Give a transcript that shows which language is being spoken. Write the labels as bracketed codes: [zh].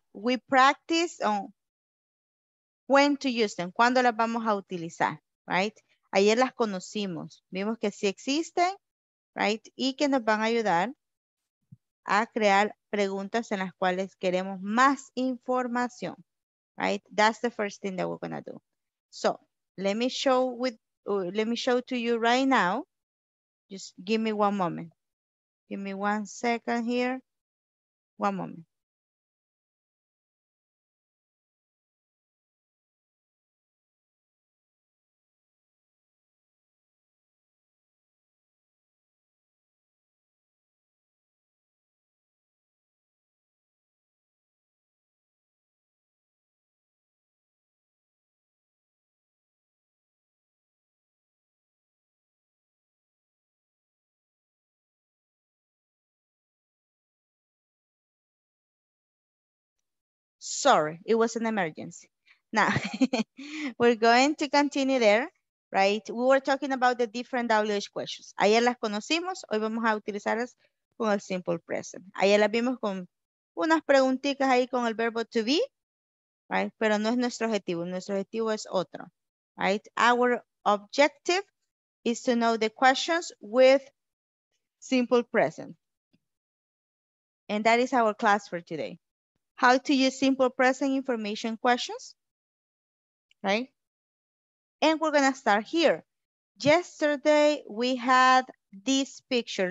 [en] We practice on when to use them. [es] ¿Cuándo las vamos a utilizar? [en] Right? [es] ayer las conocimos. Vimos que sí existen, [en] right? [es] Y que nos van a ayudar a crear preguntas en las cuales queremos más información, [en] right? That's the first thing that we're gonna do. So, let me show to you right now. Just give me one moment. Give me one second here. One moment. Sorry, it was an emergency. Now, we're going to continue there, right? We were talking about the different WH questions. [es] Ayer las conocimos, hoy vamos a utilizarlas con el simple present. Ayer las vimos con unas preguntitas ahí con el verbo to be, [en] right? [es] Pero no es nuestro objetivo, nuestro objetivo es otro, [en] right? Our objective is to know the questions with simple present. And that is our class for today. How to use simple present information questions, right? And we're gonna start here. Yesterday we had this picture.